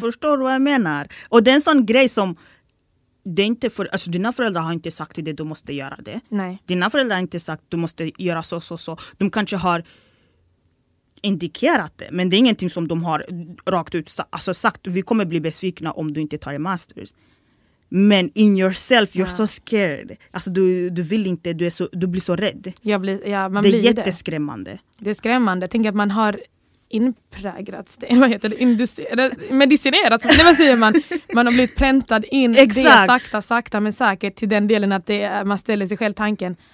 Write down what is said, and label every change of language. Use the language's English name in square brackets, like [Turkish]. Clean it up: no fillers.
[Swedish] Förstår du vad jag menar? Och det är en sån grej som det inte för, alltså dina föräldrar har inte sagt till dig att du måste göra det. Nej. Dina föräldrar har inte sagt att du måste göra så, så, så. De kanske har indikerat det, men det är ingenting som de har rakt ut alltså sagt. Vi kommer bli besvikna om du inte tar en masters. [English] Men in yourself, you're so scared. [Swedish] Alltså du vill inte, du blir så rädd. det är blir jätteskrämmande. Det är skrämmande. Tänk att man har inpräglats det. Vad heter det? Medicinerats. Nej, vad säger man? Man har blivit präntad in det sakta, sakta men säkert till den delen att man ställer sig själv tanken.